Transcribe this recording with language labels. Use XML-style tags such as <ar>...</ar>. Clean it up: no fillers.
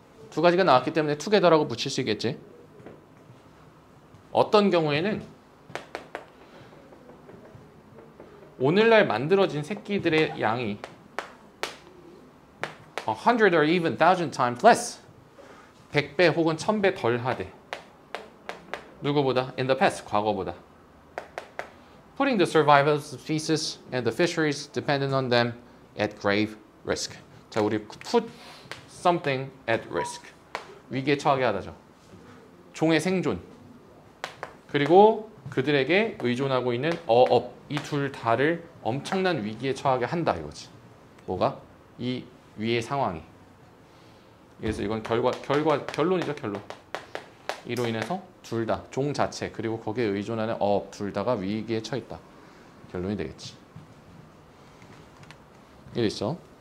<ko>두 가지가 나왔기 때문에 together라고 붙일 수 있겠지. 어떤 경우에는 오늘날 만들어진 새끼들의 양이</ko> <en>100 or even 1000 times less</en> <ko>100배 혹은 1000배 덜 하대. 누구보다?</ko> <en>In the past,</en> <ko>과거보다.</ko> <en>Putting the survival of the species and the fisheries dependent on them at grave risk.</en> <ko>자, 우리</ko> <en>put something at risk.</en> <ko>위기에 처하게 하다죠. 종의 생존. 그리고 그들에게 의존하고 있는 어업. 이 둘 다를 엄청난 위기에 처하게 한다 이거지. 뭐가? 이 위의 상황이. 그래서 이건 결론이죠. 결론. 이로 인해서 둘 다, 종 자체 그리고 거기에 의존하는 어업 둘 다가 위기에 처했다. 결론이 되겠지. 이랬어.</ko>